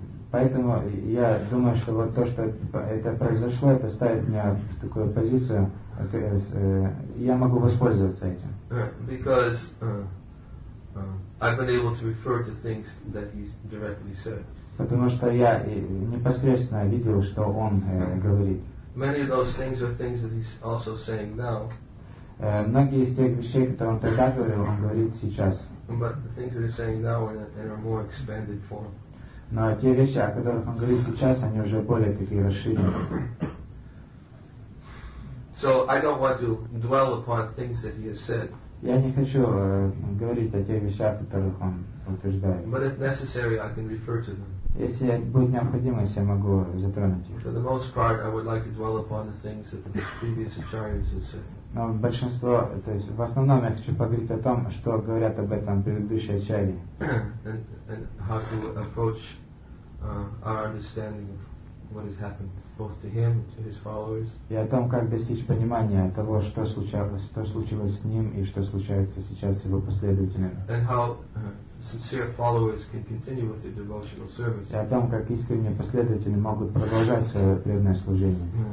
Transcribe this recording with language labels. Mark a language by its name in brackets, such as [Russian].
[Russian] Поэтому я думаю, что вот то, что это произошло, это ставит меня в такую позицию, я могу воспользоваться этим. [English] Because I've been able to refer to things that he's directly said. [Russian] Потому что я непосредственно видел, что он говорит. [English] Many of those things are things that he's also saying now. [Russian] Многие из тех вещей, которые он тогда говорил, он говорит сейчас. [English] But the things that he's saying now are in a more expanded form. [Russian] Но те вещи, о которых он говорит сейчас, они уже более такие расширенные. [English] So I don't want to dwell upon things that he has said. [Russian] Я не хочу говорить о тех вещах, которых он утверждает. [English] But if necessary, I can refer to them. [Russian] Если будет необходимость, я могу затронуть их. [English] For the most part, I would like to dwell upon the things that the previous acharyas have said. [Russian] Но большинство, то есть в основном я хочу поговорить о том, что говорят об этом предыдущие ачарьи. [English] And how to approach our understanding of what has happened both to him and to his followers. [Russian] И о том, как достичь понимания того, что случалось, что случилось с ним и что случается сейчас с его последователями. [English] And how sincere followers can continue with their devotional service. [Russian] И о том, как искренние последователи могут продолжать свое преданное служение.